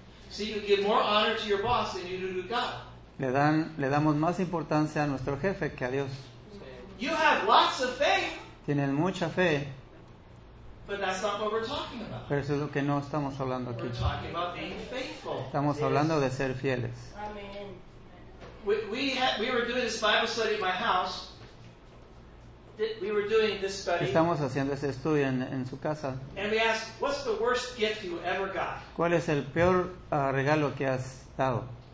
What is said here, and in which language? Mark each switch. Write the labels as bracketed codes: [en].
[en] See, you give more honor to your boss than you do to God. [es] Le damos más importancia a nuestro jefe que a Dios. [en] You have lots of faith. [es] Tienen mucha fe. [en] But that's not what we're talking about. [es] Pero eso es lo que no estamos hablando aquí. [en] We're talking about being faithful. [es] Estamos hablando de ser fieles. [en] Amen. We were doing this Bible study at my house. We were doing this study. [es] Estamos haciendo ese estudio en su casa. [en] And we asked, what's the worst gift you ever got? [es] ¿Cuál es el peor regalo que has dado?